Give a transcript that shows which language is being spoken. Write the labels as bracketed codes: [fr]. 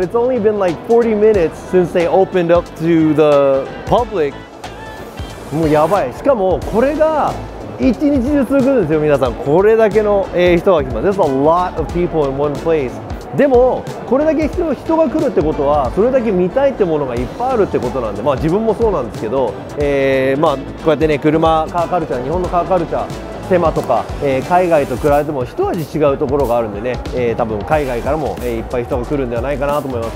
[en] It's only been like 40 minutes since they opened up to the public. [ja] もうやばい。しかもこれが1日中続くんですよ、皆さん。これだけの人が来ます。 [en] There's a lot of people in one place. [ja] でも、これだけ人が来るってことは、それだけ見たいってものがいっぱいあるってことなんで、まあ自分もそうなんですけど、まあこうやってね、車、カーカルチャー、日本のカーカルチャー、セマとか、海外と比べても一味違うところがあるんでね、多分海外からも、いっぱい人が来るんではないかなと思います。